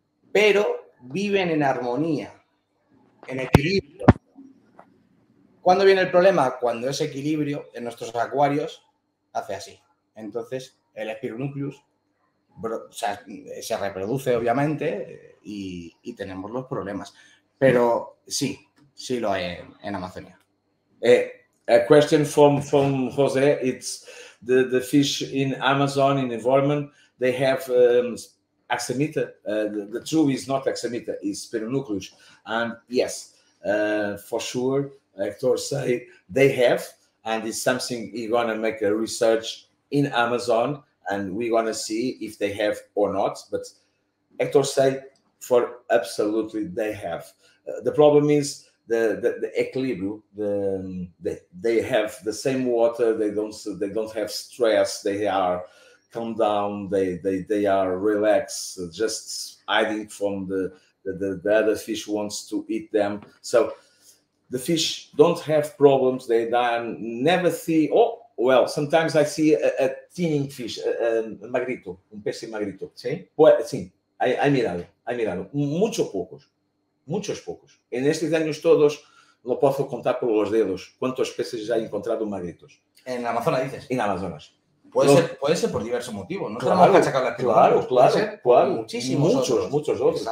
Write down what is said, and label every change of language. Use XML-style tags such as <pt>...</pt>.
<es>Pero viven en armonía, en equilibrio. ¿Cuándo viene el problema? Cuando ese equilibrio en nuestros acuarios hace así. Entonces, el espironúcleos, o sea, se reproduce, obviamente, y tenemos los problemas. Pero sí, sí lo hay en Amazonia.</es> <en>A question from Jose, it's the fish in Amazon, in environment, they have axamita. The true is not axamita, it's spironucleus. And yes, for sure, Hector say they have, and it's something you're going to make a research in Amazon, and we're going to see if they have or not. But Hector say, for absolutely they have. The problem is the</en> <es>equilibrio,</es> <en>they have the same water, they don't have stress, they are calm down, they are relaxed, just hiding from the other fish wants to eat them. So the fish don't have problems, they never see, well, sometimes I see a teeny fish, a magrito,</en> <es>un pez magrito. Sí. Pues, sí. Hay mirado, muchos pocos. En estos años todos, lo puedo contar por los dedos, cuántos peces ya he encontrado magritos. ¿En Amazonas dices? En Amazonas. Puede ser por diversos motivos, ¿no? Claro. Muchísimos. Muchos otros.</es>